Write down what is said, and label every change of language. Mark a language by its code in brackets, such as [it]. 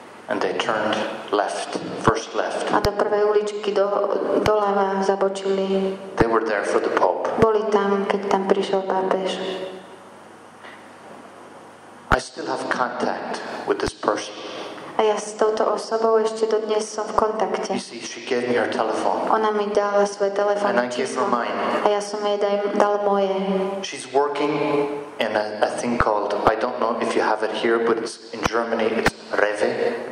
[en] And they turned left, first left. [sk] A do prvej uličky doľava zabočili. [en] They were there for the Pope. [sk] Boli tam, keď tam prišiel pápež. [en] I still have contact with this person. [sk] A ja s touto osobou ešte dodnes som v kontakte. [en] You see, she gave me her telephone. [sk] Ona mi dala svoje telefónne číslo. A ja som jej dal moje. [en] She's working in a thing called, I don't know if you have it here, but it's in Germany, it's Rewe.